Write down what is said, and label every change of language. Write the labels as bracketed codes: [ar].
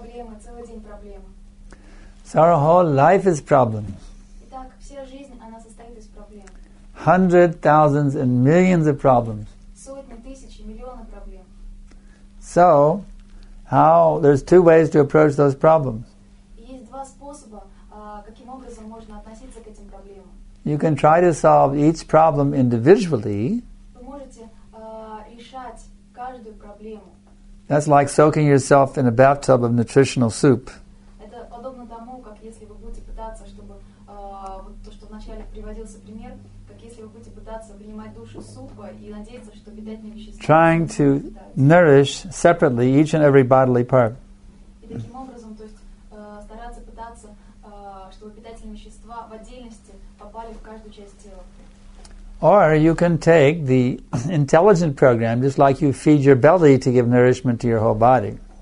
[ru] проблема, целый день проблем. [en] So our whole life is problems. [ru] Итак, вся жизнь, она состоит из проблем. [en] Hundreds, thousands and millions of problems. [ru] Сотни, тысячи, миллионы проблем. [en] So, how, there's two ways to approach those problems. [ru] Есть два способа, каким образом можно относиться к этим проблемам. [en] You can try to solve each problem individually. [ru] Вы можете решать каждую проблему. [en] That's like soaking yourself in a bathtub of nutritional soup. [ru] Это подобно тому, как если вы будете пытаться, чтобы вот то, что вначале приводился пример, как если вы будете пытаться принимать душ из супа и надеяться, что питательные вещества. [en] Trying to nourish separately each and every bodily part. [ru] И таким образом, то есть стараться пытаться, чтобы питательные вещества в отдельности попали в каждую часть тела. [en] Or you can take the intelligent program, just like you feed your belly to give nourishment to your whole body.